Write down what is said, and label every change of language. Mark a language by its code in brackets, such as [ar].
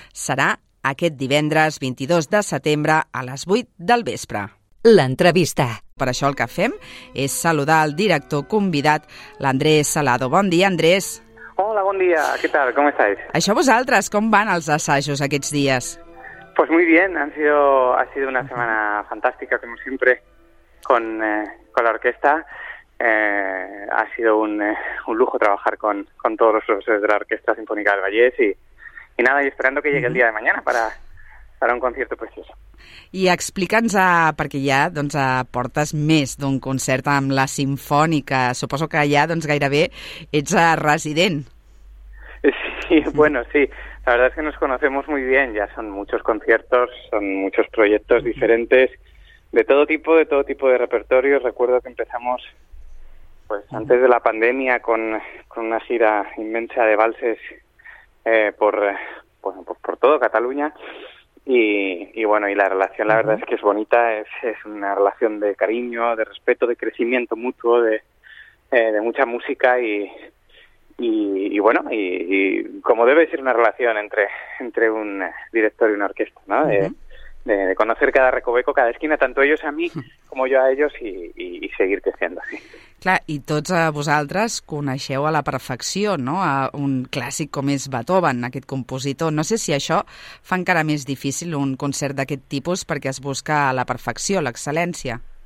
[ca] Serà aquest divendres 22 de setembre a les 8 del vespre. L'entrevista. Per això el que fem és saludar el director convidat, l'Andrés Salado. Bon dia, Andrés. Hola, bon dia. Què tal? Com estàs? Això vosaltres, com van els assajos aquests dies? [es] Pues muy bien. Ha sido una semana fantástica, como siempre, con la orquesta. Ha sido un lujo trabajar con todos los profesores de la Orquesta Sinfónica del Vallès y nada, y esperando que llegue el día de mañana para un concierto precioso. [ca] I explica'ns, perquè ja doncs, portes més d'un concert amb la Sinfònica, suposo que ja doncs, gairebé ets resident. [es] Sí, bueno, sí, la verdad es que nos conocemos muy bien, ya son muchos conciertos, son muchos proyectos diferentes, de todo tipo de repertorios. Recuerdo que empezamos pues antes de la pandemia con una gira inmensa de valses por todo Cataluña. Y bueno, y la relación, la verdad es que es bonita, es una relación de cariño, de respeto, de crecimiento mutuo, de mucha música y bueno, y como debe ser una relación entre un director y una orquesta, ¿no? De conocer cada recoveco, cada esquina, tanto ellos a mí como yo a ellos y seguir creciendo, sí. [ca] Clar, i tots vosaltres coneixeu a la perfecció, no?, a un clàssic com és Beethoven, aquest compositor. No sé si això fa encara més difícil un concert d'aquest tipus perquè es busca a la perfecció, l'excel·lència.